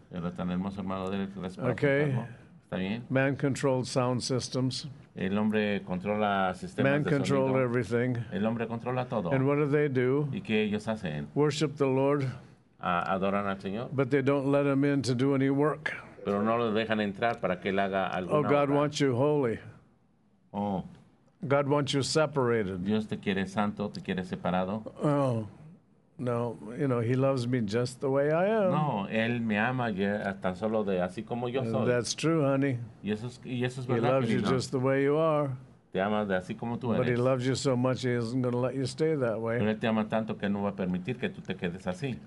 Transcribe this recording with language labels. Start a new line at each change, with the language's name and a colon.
Spanish: Era tan hermoso, hermano Derek.
English: Okay.
Spanish: ¿Está bien?
English: Man-controlled sound systems.
Spanish: El hombre controla sistemas
English: man
Spanish: de sonido.
English: Everything.
Spanish: El hombre controla todo.
English: And what do they do?
Spanish: ¿Y qué ellos hacen?
English: Worship the Lord.
Spanish: Adoran al Señor.
English: But they don't let him in to do any work.
Spanish: Pero no lo dejan entrar para que él haga alguna
English: oh, God
Spanish: obra.
English: Wants you holy. Oh. God wants you separated.
Spanish: Dios te quiere santo, te quiere separado. Oh.
English: No, you know, he loves me just the way I am.
Spanish: No, él me ama tan solo de así como yo soy.
English: That's true, honey.
Spanish: Y eso es verdad,
English: he loves you
Spanish: no.
English: just the way you are.
Spanish: Te ama de así como tú eres.
English: But he loves you so much he isn't going to let you stay that way.
Spanish: Pero él te ama tanto que no va a permitir que tú te quedes así.